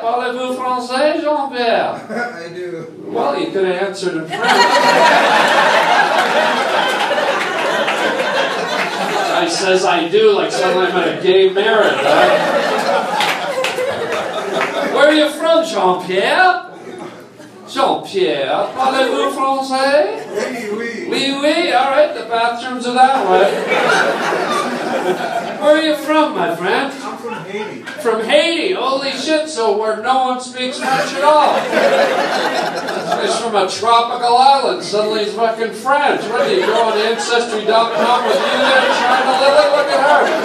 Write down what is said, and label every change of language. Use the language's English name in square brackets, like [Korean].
[French] Parlez-vous français, Jean-Pierre? [English] I do. Well, you could have answered in French. I says I do, like suddenly I'm at a gay marriage, right? Where are you from, Jean-Pierre? [French] Jean-Pierre, parlez-vous français? Oui, oui. Oui, oui, [English] all right, the bathrooms are that way. Where are you from, my friend? I'm from Haiti. From Haiti. Holy shit, so where no one speaks French at all. He's from a tropical island. Suddenly he's fucking French. What are you, going to Ancestry.com with you there trying to live it? Look at her.